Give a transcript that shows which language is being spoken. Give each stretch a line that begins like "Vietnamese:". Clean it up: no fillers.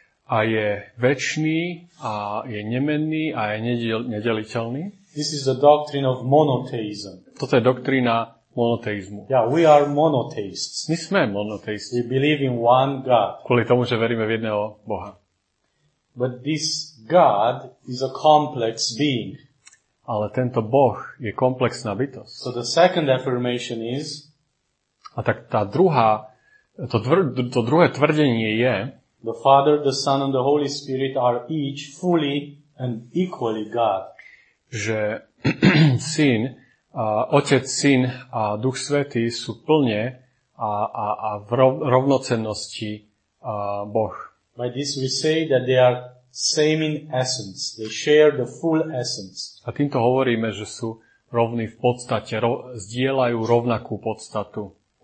Slovak: A je večný a je nemenný a je nedeliteľný.
English: This is the doctrine of monotheism.
Slovak: Toto je doktrína monoteizmu.
English: Yeah, we are monotheists.
Slovak: My sme monotheisti.
English: We believe in one God.
Slovak: Kvôli tomu, že veríme v jedného Boha.
English: But this God is a complex being.
Slovak: Ale tento Boh je komplexná bytosť.
English: So the second affirmation is,
Slovak: a tak tá druhá, to druhé tvrdenie je,
English: the Father, the Son and the Holy Spirit are each fully and equally God.
Slovak: Že Syn, Otec, Syn a Duch Svätý sú plne a v rovnocennosti Boh.
English: By this we say that they are same in essence. They share the full essence.
Slovak: A týmto hovoríme, že sú rovní v podstate, zdieľajú rovnakú podstatu.